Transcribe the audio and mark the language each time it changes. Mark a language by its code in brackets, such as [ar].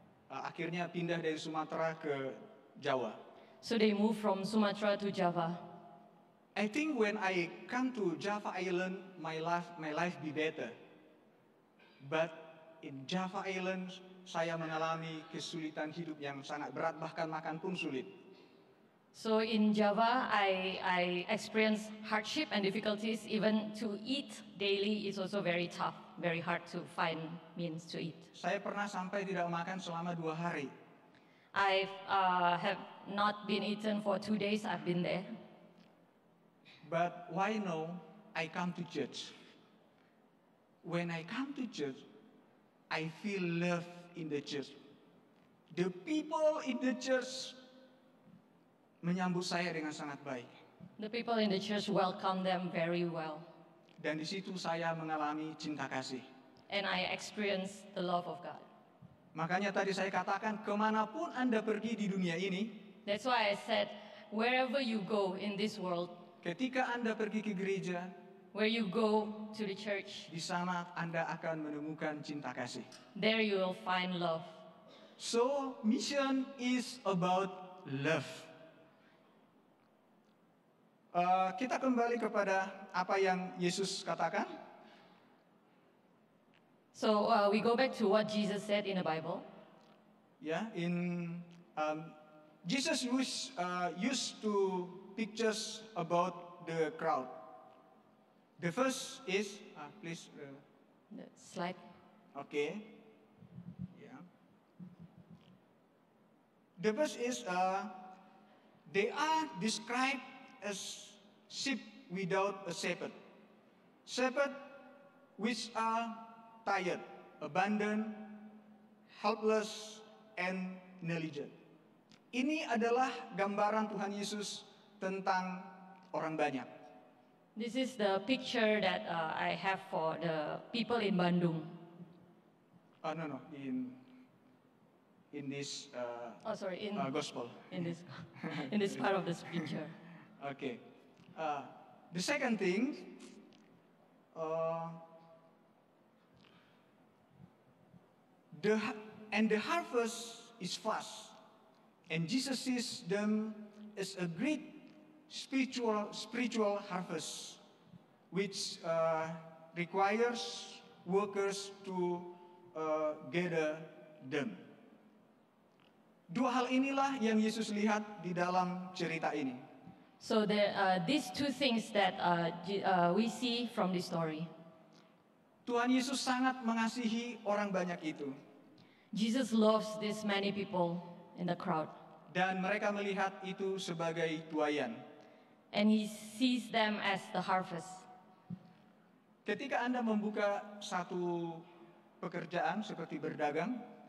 [id] Akhirnya pindah dari Sumatera ke Jawa. [en] So they moved from Sumatra to Java. I think when I come to Java Island, my life be better. But in Java Island, [id] saya mengalami kesulitan hidup yang sangat berat, bahkan makan pun sulit. [en] So in Java, I experience hardship and difficulties. Even to eat daily is also very tough, very hard to find means to eat. [id] Saya pernah sampai tidak makan selama 2 hari. [en] I have not been eaten for 2 days. I've been there. But why now I come to church? When I come to church, I feel love in the church. The people in the church [id] menyambut saya dengan sangat baik. [en] The people in the church welcome them very well. [id] Dan di situ saya mengalami cinta kasih. [en] And I experience the love of God. [id] Makanya tadi saya katakan, kemanapun Anda pergi di dunia ini, [en] that's why I said, wherever you go in this world, [id] ketika Anda pergi ke gereja, [en] where you go to the church, [id] di sana Anda akan menemukan cinta kasih. [en] There you will find love. So, mission is about love. [id] Kita kembali kepada apa yang Yesus katakan. [en] So we go back to what Jesus said in the Bible. Yeah, in Jesus used to pictures about the crowd. The first is please the slide. Okay. Yeah. The first is they are described as sheep without a shepherd. Shepherd which are tired, abandoned, helpless, and negligent. [id] Ini adalah gambaran Tuhan Yesus tentang orang banyak. [en] This is the picture that I have for the people in Bandung. No. In in this gospel. In this part of the scripture. Okay. The second thing, the harvest is fast, and Jesus sees them as a great spiritual harvest, which requires workers to gather them. [id] Dua hal inilah yang Yesus lihat di dalam cerita ini. [en] So there are these two things that we see from this story. [id] Tuhan Yesus sangat mengasihi orang banyak itu. [en] Jesus loves these many people in the crowd. [id] Dan mereka melihat itu sebagai tuayan. [en] And he sees them as the harvest. [id] Ketika Anda membuka satu pekerjaan seperti berdagang,